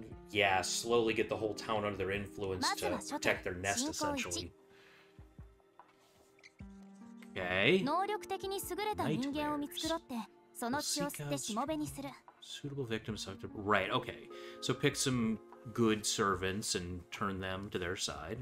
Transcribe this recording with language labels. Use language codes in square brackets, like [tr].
[en] Yeah, slowly get the whole town under their influence to protect their nest, essentially. Okay. [ja] 能力的に優れた人間を見繕って [en] Suitable victims have to... Right, okay. So pick some good servants and turn them to their side.